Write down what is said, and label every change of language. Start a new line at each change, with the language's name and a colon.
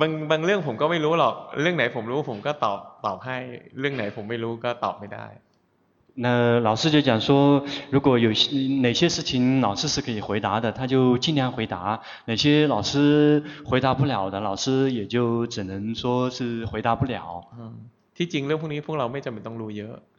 Thai: บางเรื่องผมก็ไม่รู้หรอกเรื่องไหนผมรู้ผมก็ตอบให้เรื่องไหนผมไม่รู้ก็ตอบไม่ได้
Chinese: 那老师就讲说如果有哪些事情老师是可以回答的他就尽量回答哪些老师回答不了的老师也就只能说是回答不了
Thai: ที่จริงเรื่องพวกนี้พวกเราไม่จำเป็นต้องรู้เยอะ